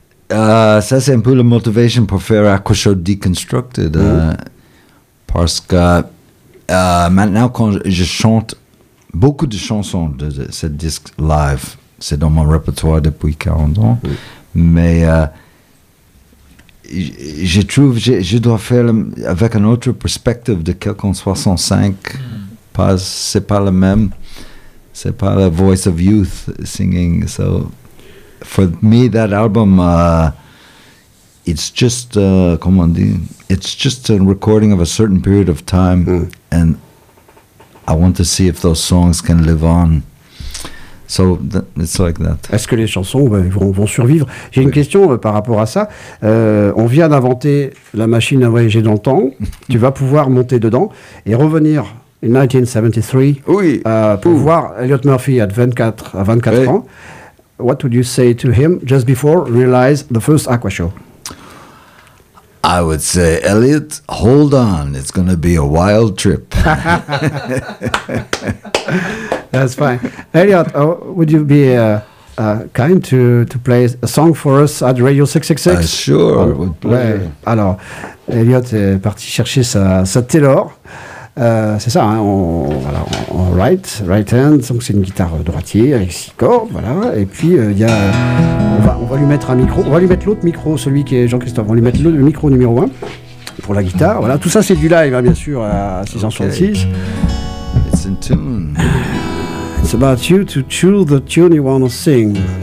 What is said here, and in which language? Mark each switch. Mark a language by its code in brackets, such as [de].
[fr] ça c'est un peu la motivation pour faire Aquashow Deconstructed, parce que maintenant quand je chante beaucoup de chansons de ce disque live, c'est dans mon répertoire depuis 40 ans, mais je trouve que je dois faire avec une autre perspective de quelqu'un 65, c'est pas le même, c'est pas la [en] voice of youth singing, so... For me, that album, it's just, [fr] comment dire, [en] it's just a recording of a certain period of time, and I want to see if those songs can live on. So, it's like that. [fr] Est-ce que les chansons vont survivre? J'ai une question par rapport à ça. On vient d'inventer la machine à voyager dans le temps. Tu vas pouvoir monter dedans et revenir en 1973 pour voir Elliot Murphy à 24 ans. [en] What would you say to him just before realize the first Aqua Show? I would say, Elliot, hold on. It's going to be a wild trip. That's fine. Elliot, would you be kind to play a song for us at Radio 666? Sure. [fr] Alors, Elliot est parti chercher sa Taylor. C'est ça, hein, [en] on right hand, [fr] donc c'est une guitare droitier avec 6 cordes, voilà. Et puis on va lui mettre l'autre micro, celui qui est Jean-Christophe, on lui mettre le micro numéro 1 pour la guitare, voilà. Tout ça c'est du live, hein, bien sûr, à 666. [en] Okay. It's in tune. It's about you to choose the tune you want to sing.